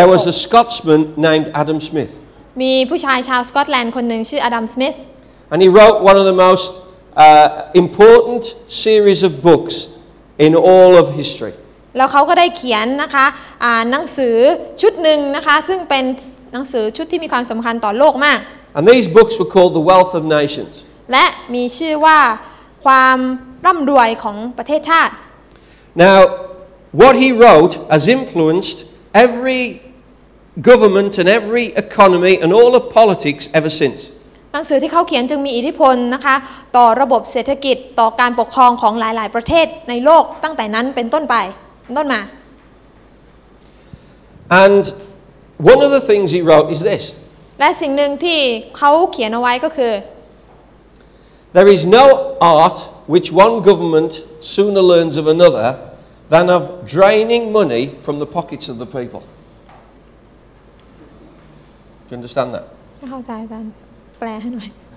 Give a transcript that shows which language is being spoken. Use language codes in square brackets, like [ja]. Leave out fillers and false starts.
[en] There was a Scotsman named Adam Smith. [th] มีผู้ชายชาวสกอตแลนด์คนหนึ่งชื่ออดัมสมิธ [en] And he wrote one of the most important series of books in all of history. [th] แล้วเขาก็ได้เขียนนะคะหนังสือชุดหนึ่งนะคะซึ่งเป็นหนังสือชุดที่มีความสำคัญต่อโลกมาก [en] And these books were called The Wealth of Nations. [th] และมีชื่อว่าความร่ำรวยของประเทศชาติ [en] Now what he wrote has influenced every government and every economy and all of politics ever since [th] หนังสือที่เขาเขียนจึงมีอิทธิพลนะคะต่อระบบเศรษฐกิจต่อการปกครองของหลายๆประเทศในโลกตั้งแต่นั้นเป็นต้นไปต้นมา [en] And one of the things he wrote is this [th] และสิ่งหนึ่งที่เขาเขียนเอาไว้ก็คือ [en] There is no art which one government sooner learns of another than of draining money from the pockets of the people. Do you understand that? [th] เข้าใจอาจารย์แปลให้หน่อย